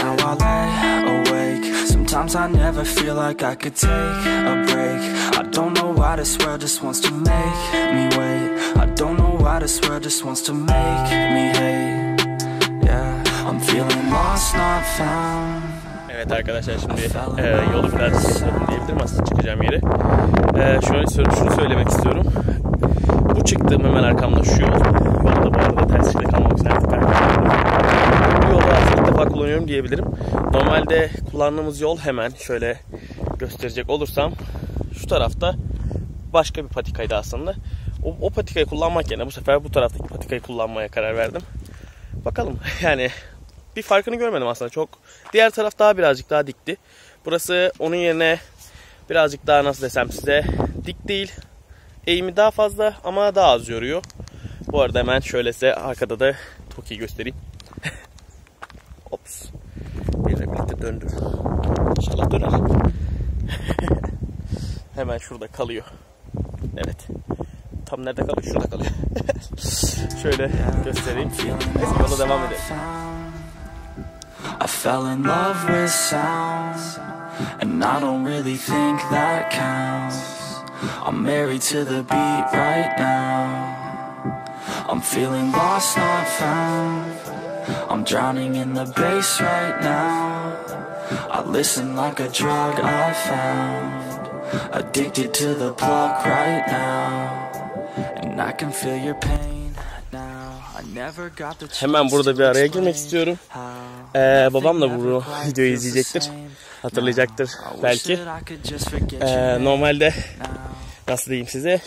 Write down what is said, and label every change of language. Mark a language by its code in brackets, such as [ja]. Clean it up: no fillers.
[en] And now I lay awake. Sometimes I never feel like I could take a break. I don't know why this world just wants to make me wait. I don't know why this world just wants to make me hate. Yeah, I'm feeling lost, not found. [tr] Evet arkadaşlar şimdi yolu biraz kesildim diyebilirim aslında çıkacağım yere. Şunu söylemek istiyorum. Bu çıktığım hemen arkamda şu yol. Ben de bu arada ters şekilde kalmak isterdim. Bu yolu artık ilk defa kullanıyorum diyebilirim. Normalde kullandığımız yol hemen şöyle gösterecek olursam. Şu tarafta başka bir patikaydı aslında. O patikayı kullanmak yerine bu sefer bu taraftaki patikayı kullanmaya karar verdim. Bakalım yani. Bir farkını görmedim aslında çok. Diğer taraf daha birazcık daha dikti. Burası onun yerine birazcık daha nasıl desem size dik değil. Eğimi daha fazla ama daha az yoruyor. Bu arada hemen şöyle size arkada da Toki'yi göstereyim. Ops. Birle birlikte döndü. İnşallah döner. Hemen şurada kalıyor. Evet. Tam nerede kalıyor? Şurada kalıyor. Şöyle göstereyim. Neyse yola devam edelim. [en] I fell in love with sounds. And I don't really think that counts. I'm married to the beat right now. I'm feeling lost, not found. I'm drowning in the bass right now. I listen like a drug I found. Addicted to the pluck right now. And I can feel your pain now. I never got the chance. [tr] Hemen burada bir araya girmek istiyorum. Babam da bu videoyu izleyecektir. Hatırlayacaktır belki. Normalde nasıl diyeyim size?